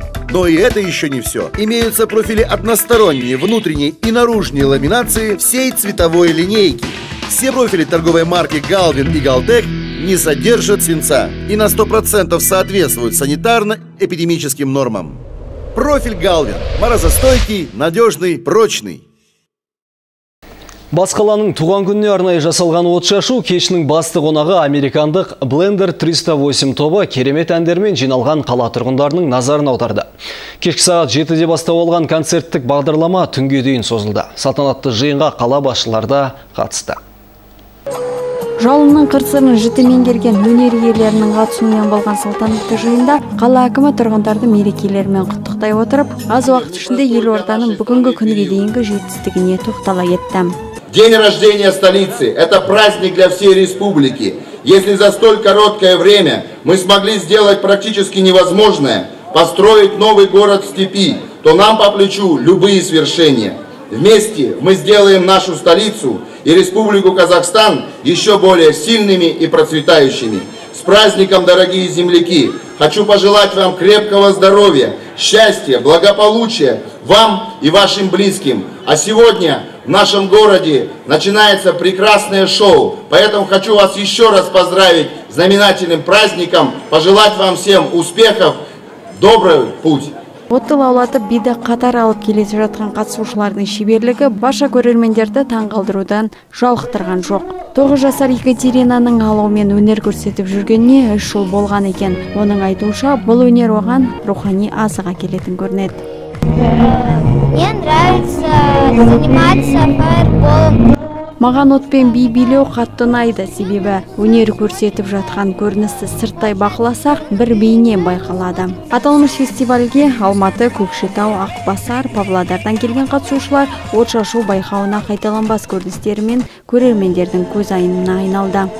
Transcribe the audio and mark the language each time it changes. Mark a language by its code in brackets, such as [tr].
[ru] Но и это еще не все. Имеются профили односторонние, внутренние и наружные ламинации всей цветовой линейки. Все профили торговой марки «Галвин» и «Галдек» не содержат свинца и на 100% соответствуют санитарно-эпидемическим нормам. Профиль «Галвин» – морозостойкий, надежный, прочный. [kk] Бас қаланың туған күніне арнайы жасалған отшашу кешінің басты қонағы американдық Blender 308 тобы керемет әндермен жиналған қала тұрғындарының назарын аударды. Кешкі сағат 7-де бастау алған концерттік бағдарлама түнге дейін созылды. Салтанатты жиынға қала басшыларда қатысты. Жалынның қырсырын жіті менгерген өнер иелерінің қатысуымен болған салтанатты жиында қала әкімі тұрғындарды мерекелермен құттықтай отырып, аз уақыт ішінде елорданың бүгінгі күнге дейінгі жетістігіне тоқтала кетті. [ru] День рождения столицы – это праздник для всей республики. Если за столь короткое время мы смогли сделать практически невозможное – построить новый город в степи, то нам по плечу любые свершения. Вместе мы сделаем нашу столицу и республику Казахстан еще более сильными и процветающими. С праздником, дорогие земляки! Хочу пожелать вам крепкого здоровья, счастья, благополучия вам и вашим близким. А сегодня в нашем городе начинается прекрасное шоу. Поэтому хочу вас еще раз поздравить с знаменательным праздником. Пожелать вам всем успехов, добрый путь. [kk] Отты лаулаты биді қатар алып келесі жатқан қатысушылардың шеберлігі баша көрермендерді таңғалдырудан жалықтырған жоқ. 9 жасар Екатеринаның алуымен өнер көрсетіп жүргеніне 3 жыл болған екен. Оның айтуынша, бұл өнер оған рухани азыға келетін көрінеді. [ru] Мен нравится заниматься футболом. [kk] Маған отпен би билеу қатты ұнайды, себебі өнер көрсетіп жатқан көріністі сырттай бақыласақ, бір бейне байқалады. Аталмыш фестивальге Алматы, Көкшетау, Ақбасар, Павлодардан келген қатысушылар отшашу байқауына қайталанбас көріністерімен көрермендердің көзайымына айналды.